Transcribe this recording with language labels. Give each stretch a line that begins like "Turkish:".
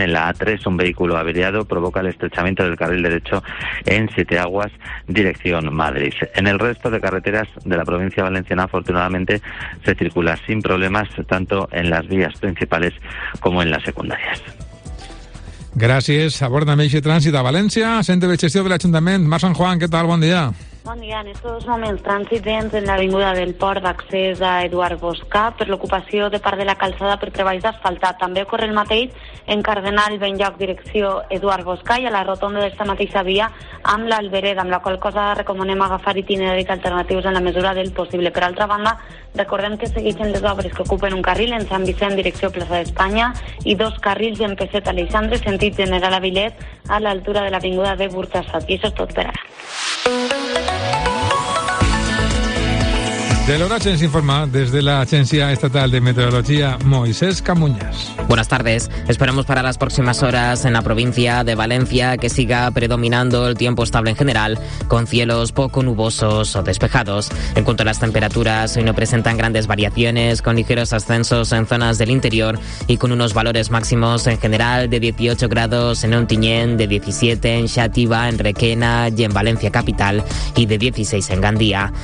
Spanish: En la A3 un vehículo averiado provoca el estrechamiento del carril derecho en Siete Aguas, dirección Madrid. En el resto de carreteras de la provincia valenciana, afortunadamente, se circula sin problemas tanto en las vías principales como en las secundarias.
Catalan: Gràcies. Aborda Meixe Trànsit a València. Centre de gestió de l'Ajuntament. Mar San Juan, què tal? Bon dia. Bon dia. En estos moments, trànsit dents en l'avinguda del port d'accés a Eduard Bosca per l'ocupació de part de la calçada per treballs d'asfaltat. També ocorre el mateix en Cardenal Benlloc, direcció Eduard Bosca, i a la rotonda d'esta mateixa via amb l'Albereda, amb la qual cosa recomanem agafar itineraris alternatius en la mesura del possible. Per altra banda, recordem que segueixen les obres que ocupen un carril en Sant Vicent, direcció Plaça d'Espanya, i dos carrils en Peset Alexandre, sentit General Avilés, a l'altura de l'avinguda de Burtassat. I això és tot per ara. De l'hora ens informa des de l'Agència Estatal de Meteorologia, Moisés Camuñas.
Spanish: Buenas tardes. Esperemos para las próximas horas en la provincia de Valencia que siga predominando el tiempo estable en general, con cielos poco nubosos o despejados. En cuanto a las temperaturas, hoy no presentan grandes variaciones, con ligeros ascensos en zonas del interior y con unos valores máximos en general de 18 grados en Ontinyent, de 17 en Xàtiva, en Requena y en Valencia capital, y de 16 en Gandía.